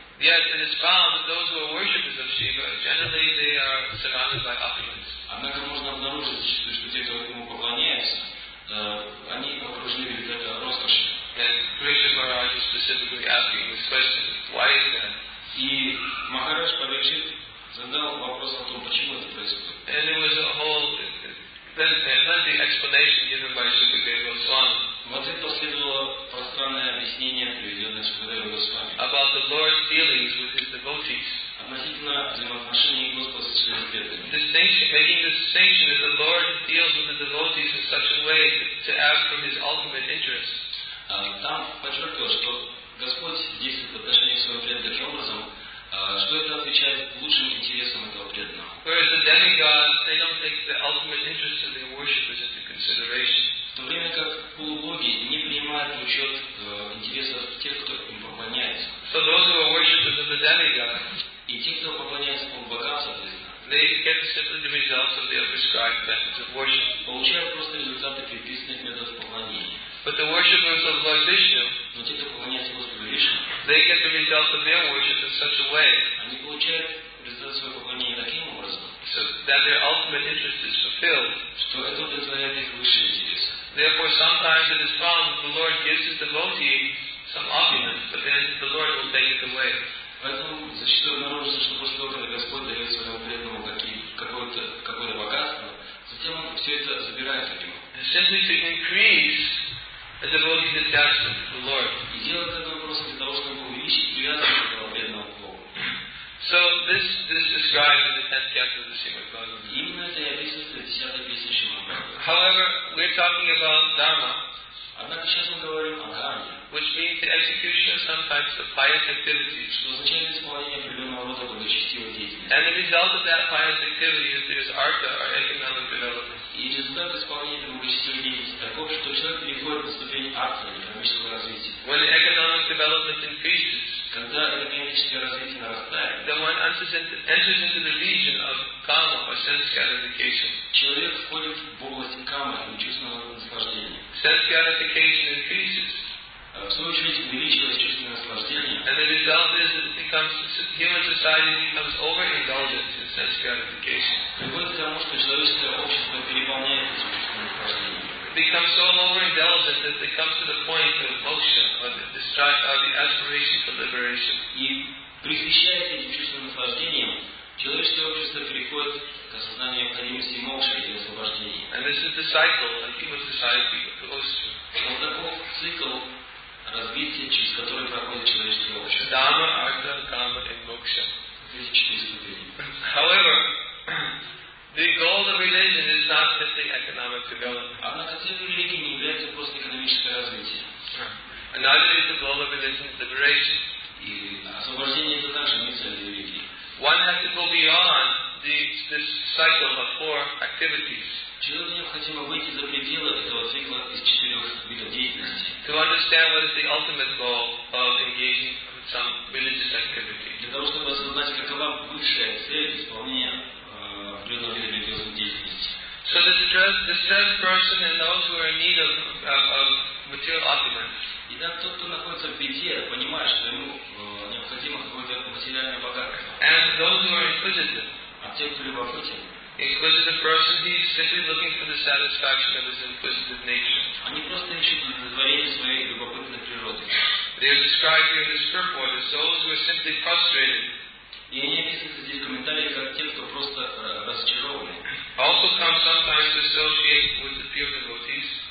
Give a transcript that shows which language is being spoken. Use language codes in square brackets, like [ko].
[en] Yet it is found that those who are worshippers of Shiva, generally they are surrounded by opulence. [ru] Однако можно обнаружить, что те, кто ему поклоняется, они окружены великой роскошью. [en] And Krishna Maharaj is specifically asking this question: why is that? [ru] И Махарадж Парикшит задал вопрос о том, почему это происходит. [en] And there was a whole, lengthy explanation given by Sukadeva Goswami. [ru] В ответ последовало пространное объяснение, приведенное Сукадевой Госвами. [en] About the Lord's dealings with his devotees. [ru] Относительно взаимоотношений Господа со своими преданными. [en] Distinction, making the distinction that the Lord deals with the devotees in such a way to ask for his ultimate interest. [ru] Там подчеркивалось, что Господь действует в отношении своего преданного таким образом, что это отвечает лучшим интересам этого преданного. [en] Whereas the demigods, they don't take the ultimate interest of their worshippers into consideration. [ru] В то время как полубоги не принимают в учет интересов тех, кто им поклоняется. [en] So those who are worshippers of the demigods, [ru] и те, кто поклоняется полубогам, соответственно, получают просто результаты предписанных методов поклонения. [en] But the worshippers of Lord Vishnu, [ru] но те, кто поклоняется Господу Вишну, [en] they get the result of their worship in such a way, [ru] они получают результат своего поклонения таким образом, [en] so that their ultimate interest is fulfilled, [ru] что это удовлетворяет их высшие интересы. [en] Therefore, sometimes it is found that the Lord gives his devotee some opulence, but then the Lord will take it away. [ru] Поэтому зачастую обнаружится, что после того, когда Господь дает своему преданному какое-то богатство, затем он все это забирает от него. [en] Simply to increase the devotee's attachment to the Lord. [ru] И делает это просто для того, чтобы увеличить привязанность этого преданного к Богу. [en] So this describes in the 10th chapter of the Srimad Bhagavatam. However, we're talking about dharma, [ru] однако сейчас мы говорим о дхарме, [en] which means the execution of some types of pious activities, [ru] что означает исполнение определенного рода благочестивой деятельности. [en] And the result of that pious activity is there's artha, or economic development. [ru] И результат исполнения этой благочестивой деятельности таков, что человек переходит на ступень артха, экономического развития. [en] When the economic development increases, [ru] когда экономическое развитие нарастает, [en] then one enters into the region of kama, or sense gratification. [ru] Человек входит в область кама, или чувственного наслаждения. [en] Sense gratification increases. [ru] В свою очередь увеличивается чувственное наслаждение. [en] And the result is that human society becomes overindulgent in sense gratification. [ru] Приводит к тому, что человеческое общество переполняет этим чувственным наслаждением. [en] Become so overindulgent that they come to the point of moksha, or the aspiration for liberation. [ru] И пресыщаясь этим чувственным наслаждением, человеческое общество переходит к осознанию необходимости мокши и освобождения. [en] And this is the cycle that human society goes through. [ru] Вот такой цикл развития, через который проходит человеческое общество. [en] Dharma, artha, kama, and moksha. [ru] Эти четыре ступени. [en] However, the goal of religion is not simply economic development. [ru] Однако целью религии не является просто экономическое развитие. [en] And neither is the goal of religion liberation. [ru] И освобождение это также не цель религии. [en] One has to go beyond this cycle of four activities. [ru] Человеку необходимо выйти за пределы этого цикла из четырех видов деятельности. [en] To understand what is the ultimate goal of engaging in some religious activity. [ru] Для того, чтобы осознать, какова высшая цель исполнения определенного вида религиозной деятельности. [en] So the distressed person and those who are in need of material opulence. [ru] И так тот, кто находится в беде, понимает, что ему необходимо какое-то материальное богатство. А те, кто любопытен. [en] Inquisitive person, he is simply looking for the satisfaction of his inquisitive nature. [ru] Они просто ищут удовлетворение своей любопытной природы. [en] They are described here in the script word as those who are simply frustrated. [ru] И они описываются здесь в комментариях как те, кто просто разочарованы. [en] Also come sometimes to associate with the pure devotees.